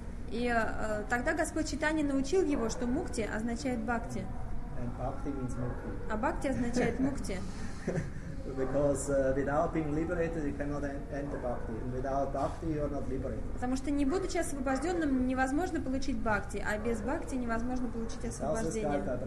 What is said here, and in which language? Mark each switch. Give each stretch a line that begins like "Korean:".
Russian: И тогда Господь Читания научил его, что мукти означает бхакти.
English: And bhakti means mukti.
Russian: А бхакти означает мукти.
English: Because without being liberated, you cannot enter bhakti. And without bhakti, you are not liberated.
Russian: Потому что не будучи освобожденным, невозможно получить бхакти, а без бхакти невозможно получить освобождение.